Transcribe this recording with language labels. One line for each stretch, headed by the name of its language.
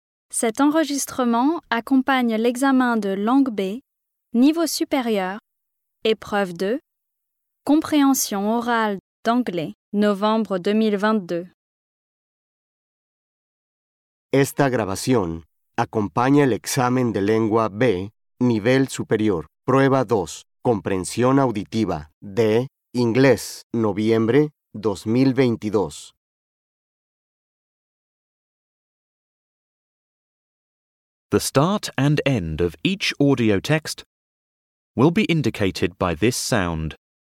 French: Cet enregistrement accompagne l'examen de Langue B, Niveau Supérieur, Épreuve 2, Compréhension Orale d'Anglais, novembre 2022.
Spanish: Esta grabación acompaña el examen de lengua B, nivel superior, prueba 2, comprensión auditiva, de inglés, noviembre 2022.
English: The start and end of each audio text will be indicated by this sound.